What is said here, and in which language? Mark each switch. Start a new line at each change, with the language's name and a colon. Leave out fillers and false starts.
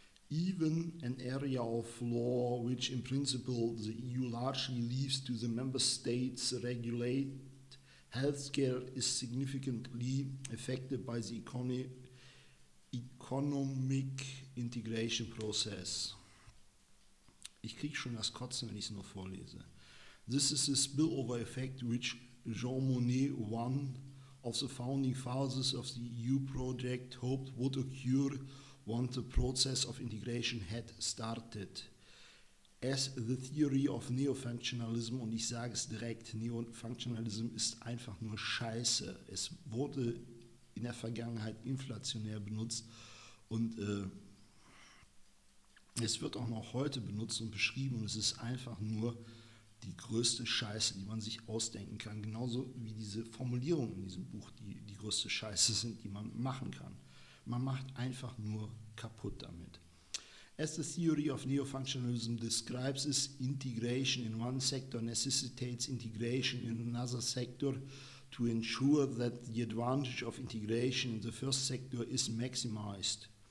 English: Even an area of law which in principle the EU largely leaves to the member states regulate, healthcare is significantly affected by the economic integration process.
German: Ich krieg schon das Kotzen, wenn ich es nur vorlese.
English: This is a spillover effect which Jean Monnet, one of the founding fathers of the EU project, hoped would occur once the process of integration had started. As the theory of neo-functionalism,
German: und ich sage es direkt, neo-functionalism ist einfach nur Scheiße. Es wurde in der Vergangenheit inflationär benutzt und es wird auch noch heute benutzt und beschrieben und es ist einfach nur die größte Scheiße, die man sich ausdenken kann. Genauso wie diese Formulierungen in diesem Buch, die größte Scheiße sind, die man machen kann. Man macht einfach nur kaputt damit.
English: As the theory of neo-functionalism describes is integration in one sector necessitates integration in another sector to ensure that the advantage of integration in the first sector is maximized.